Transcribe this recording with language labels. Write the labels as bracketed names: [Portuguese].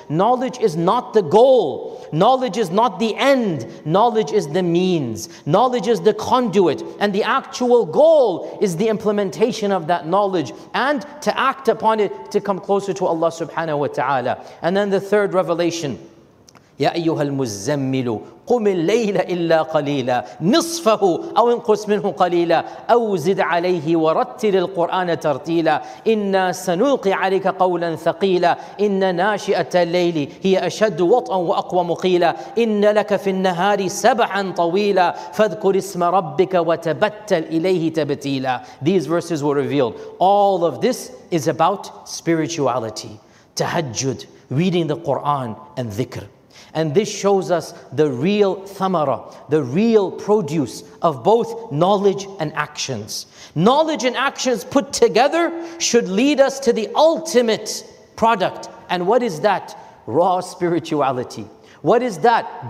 [English] Knowledge is not the goal. Knowledge is not the end. Knowledge is the means. Knowledge is the conduit. And the actual goal is the implementation of that knowledge and to act upon it to come closer to Allah subhanahu wa ta'ala. And then the third revelation. [Arabic] Ya ayyuhal muzzammilu, قم الليل إلا قليلا نصفه أو انقص منه قليلا أو زد عليه ورتل القرآن ترتيلا إنا سنلقي عليك قولا ثقيلا إن ناشئة الليل هي أشد وطئا وأقوى مقيلا إن لك في النهار سبحا طويلا فاذكر اسم ربك وتبتل إليه تبتيلا. [English] These verses were revealed. All of this is about spirituality, tahajjud, reading the Quran and dhikr. And this shows us the real thamara, the real produce of both knowledge and actions. Knowledge and actions put together should lead us to the ultimate product. And what is that? Raw spirituality. What is that?